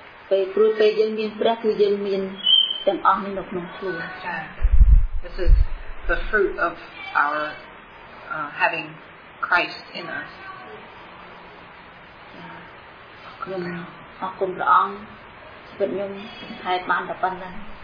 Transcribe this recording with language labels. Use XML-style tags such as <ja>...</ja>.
<km>ពេលព្រោះពេលយើងមានព្រះគឺយើងមានទាំងអស់នេះនៅក្នុងខ្លួន</km> <en>This is the fruit of our having Christ in us</en> <km>អរគុណព្រះអង្គពិតខ្ញុំហេតុបានតែប៉ុណ្្នឹង</km>